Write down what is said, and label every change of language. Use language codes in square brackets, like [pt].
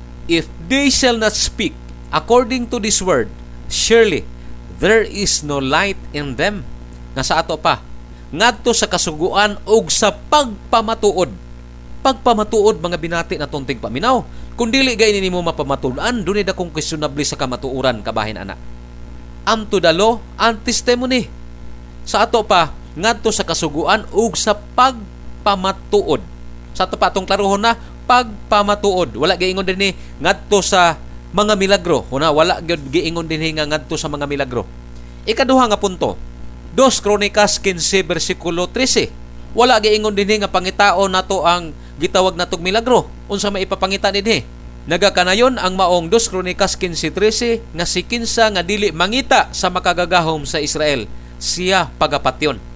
[en] If they shall not speak according to this word, surely there is no light in them. [ceb] Nga sa ato pa, ngadto sa kasuguan ug sa pagpamatuod. Pagpamatuod mga binati na tunting paminaw. Kung dili gayon nimo mapamatuod-an, dunay da kong questionable sa kamatuoran kabahin ana. [en] Unto the law and testimony. [ceb] Sa ato pa, ngadto sa kasuguan ug sa pagpamatuod. Sa ato pa tong klarohon na pagpamatuod. Wala giingon din ni ngadto sa mga milagro. Una, wala giingon din nga ngadto sa mga milagro. Ikaduha nga punto. 2 Kronikas 15 versikulo 13. Wala giingon din nga pangitaon nato ang gitawag natog milagro. Unsa may ipapangita ni din? Nagakanayon ang maong 2 Kronikas 15 13 nga si kinsa nga dili mangita sa makagagahom sa Israel, siya pagapatyon.